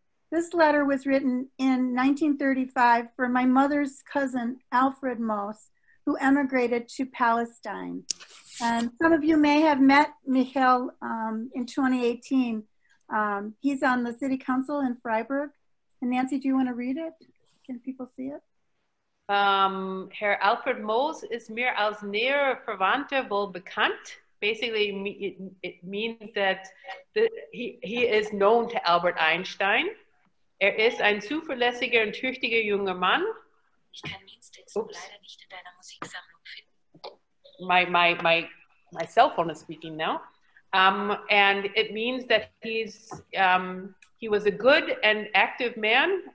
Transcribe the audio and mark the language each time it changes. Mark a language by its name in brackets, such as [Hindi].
[English] This letter was written in 1935 for my mother's cousin, Alfred Moss, who emigrated to Palestine. And some of you may have met Michael in 2018. He's on the city council in Freiburg. And Nancy, do you want to read it? Can people see it? [German] Herr Alfred Moos ist mir als näher Verwandter wohl bekannt. [English] Basically, it means that he is known to Albert Einstein. [German] Er ist ein zuverlässiger und tüchtiger junger Mann. Ich kann Mienstex leider nicht in deiner Musiksammlung finden. [English] My cell phone is speaking now. And it means that he was a good and active man.